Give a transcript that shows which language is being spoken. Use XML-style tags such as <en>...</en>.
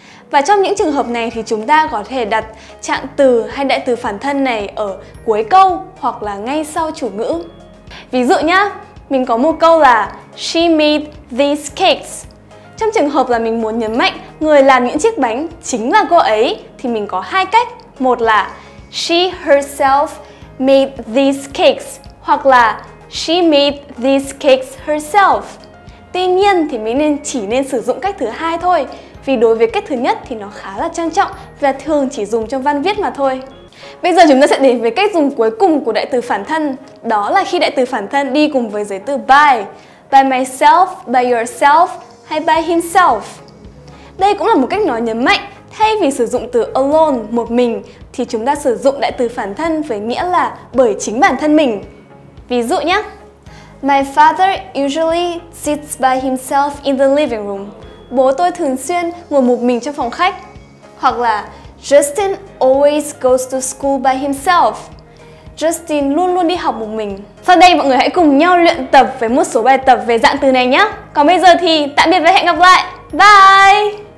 <vi>Và trong những trường hợp này thì chúng ta có thể đặt trạng từ hay đại từ phản thân này ở cuối câu hoặc là ngay sau chủ ngữ. Ví dụ nhá, mình có một câu là</vi> <en>she made these cakes.</en> <vi>Trong trường hợp là mình muốn nhấn mạnh người làm những chiếc bánh chính là cô ấy thì mình có hai cách. Một là</vi> <en>she herself made these cakes</en> <vi>hoặc là</vi> <en>she made these cakes herself.</en> <vi>Tuy nhiên thì mình chỉ nên sử dụng cách thứ hai thôi. Vì đối với cách thứ nhất thì nó khá là trang trọng và thường chỉ dùng trong văn viết mà thôi. Bây giờ chúng ta sẽ đến với cách dùng cuối cùng của đại từ phản thân. Đó là khi đại từ phản thân đi cùng với giới từ by.</vi> <en>By myself, by yourself hay by himself.</en> <vi>Đây cũng là một cách nói nhấn mạnh. Thay vì sử dụng từ alone, một mình, thì chúng ta sử dụng đại từ phản thân với nghĩa là bởi chính bản thân mình. Ví dụ nhé.</vi> <en>My father usually sits by himself in the living room.</en> <vi>Bố tôi thường xuyên ngồi một mình trong phòng khách. Hoặc là</vi> <en>Justin always goes to school by himself.</en> <vi>Justin luôn luôn đi học một mình. Sau đây mọi người hãy cùng nhau luyện tập với một số bài tập về dạng từ này nhé. Còn bây giờ thì tạm biệt và hẹn gặp lại.</vi> <en>Bye!</en>